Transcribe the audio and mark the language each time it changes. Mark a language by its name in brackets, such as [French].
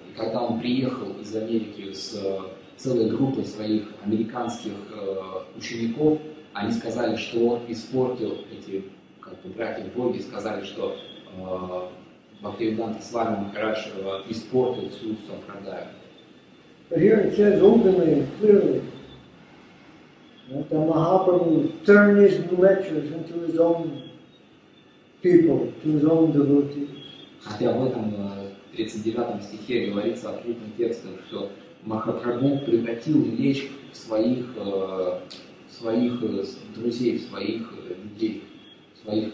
[Russian] И когда он приехал из Америки с целой группой своих американских учеников, они сказали, что он испортил эти как бы, братья Боги, сказали, что Бхактивиданта Свами Махарадж испортил всю сампрадаю. [English] Here it says openly and clearly that the Mahaprabhu turned his lectures into his own people, to his own devotees. [Russian] Хотя в этом 39 стихе говорится открытым текстом, что Махапрабху превратил лечь в своих друзей, своих людей, своих